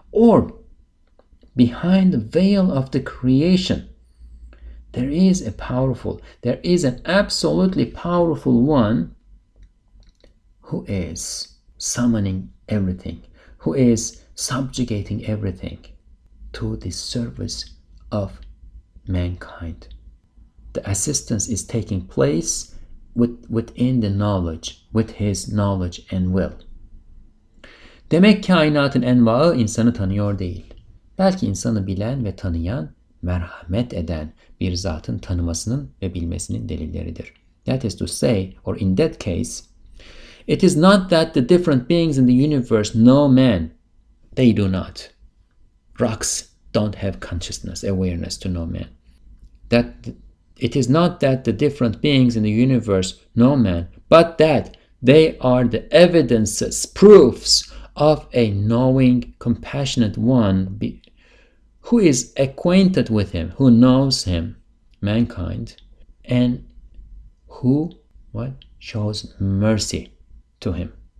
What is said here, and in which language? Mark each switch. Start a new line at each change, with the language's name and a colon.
English: Or behind the veil of the creation, there is an absolutely powerful one who is summoning everything, who is subjugating everything to the service of mankind. The assistance is taking place within the knowledge, with his knowledge and will.
Turkish: Demek kainatın envağı insanı tanıyor değil. Belki insanı bilen ve tanıyan, merhamet eden bir zatın tanımasının ve bilmesinin delilleridir.
English: That is to say, or in that case, it is not that the different beings in the universe know man. They do not. Rocks don't have consciousness, awareness to know man. It is not that the different beings in the universe know man, but that they are the evidences, proofs of a knowing, compassionate one who is acquainted with him, who knows him, mankind, and who shows mercy to him.